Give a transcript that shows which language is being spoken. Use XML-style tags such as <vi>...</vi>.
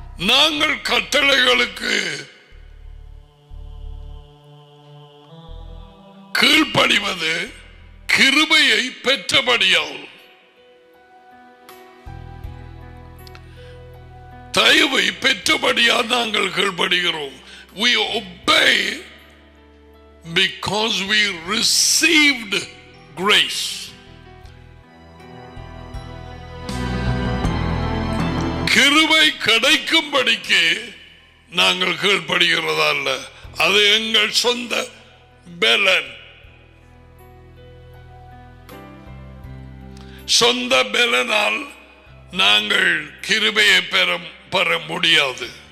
<ta>நாங்கள் கட்டளைகளுக்கு கீழ்படிவது கிருபையை பெற்றபடியால். தயவை பெற்றபடியால் நாங்கள் கீழ்படுகிறோம்.</ta> <en>We obey because we received grace.</en> <ta>கிருபை கிடைக்கும்படிக்கு நாங்கள் கீழ்படுகிறதா இல்ல, அது எங்கள் சொந்த பலன். சொந்த பலனால் நாங்கள் கிருபையை பெற முடியாது.</ta>